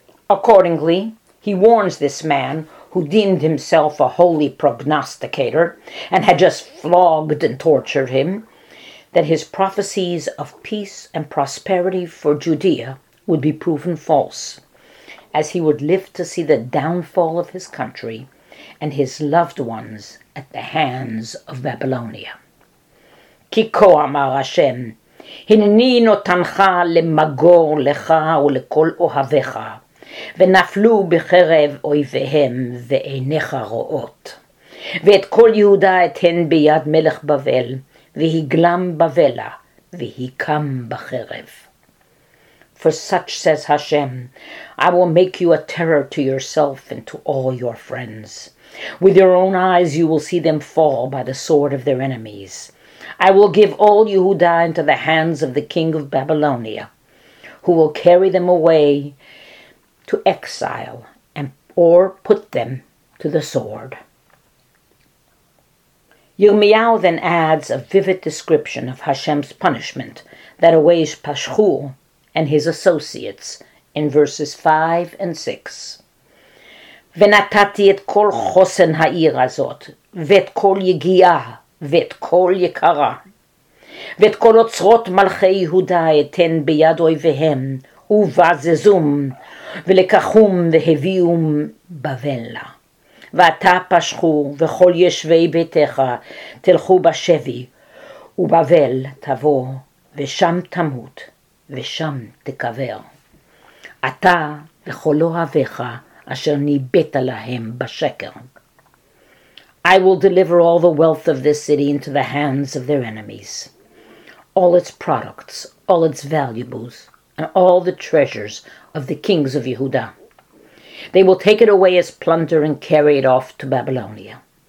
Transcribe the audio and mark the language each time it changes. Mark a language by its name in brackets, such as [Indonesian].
[English] Accordingly, he warns this man, who deemed himself a holy prognosticator and had just flogged and tortured him, that his prophecies of peace and prosperity for Judea would be proven false, as he would live to see the downfall of his country and his loved ones at the hands of Babylonia. [Hebrew] Ki ko amar Hashem, הנני נותנך למגור לך ולכל אוהביך, ונפלו בחרב אויביהם ועיניך רואות. ואת כל יהודה אתן ביד מלך בבל, והגלם בבלה, והקם בחרב. [English] For such says Hashem, I will make you a terror to yourself and to all your friends. With your own eyes you will see them fall by the sword of their enemies. I will give all Yehuda into the hands of the king of Babylonia, who will carry them away to exile and or put them to the sword. Yirmiyahu then adds a vivid description of Hashem's punishment that awaits Pashchur and his associates in verses 5 and 6. [Hebrew] Venatati et kol chosen ha'ir hazot, vet kol yegiah, ואת כל יקרה, ואת כל אוצרות מלכי יהודה אתן ביד אויביהם, ובזזום, ולקחום והביאום בבלה. ואתה פשחו, וכל ישבי ביתך תלכו בשבי, ובבל תבוא, ושם תמות, ושם תקבר. אתה וכל אוהביך אשר ניבאת להם בשקר. [English] I will deliver all the wealth of this city into the hands of their enemies, all its products, all its valuables, and all the treasures of the kings of Yehuda. They will take it away as plunder and carry it off to Babylonia.